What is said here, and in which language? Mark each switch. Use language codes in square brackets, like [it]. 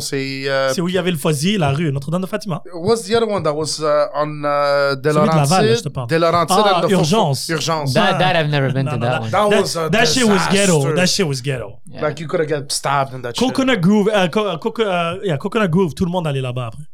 [fr] c'est où il y avait le Fuzzy, la rue Notre-Dame de Fatima. [en] What's the other one that was on De Laurentiid? [fr] Celui de Laval, je te parle. [en] De Laurentiid and the [fr] Urgence. [en] That I've never been to. That shit was ghetto. That shit was ghetto. Yeah. Like you could have got stabbed in that Coconut shit. [fr] Groove, Coconut Groove, tout le monde allait là-bas après.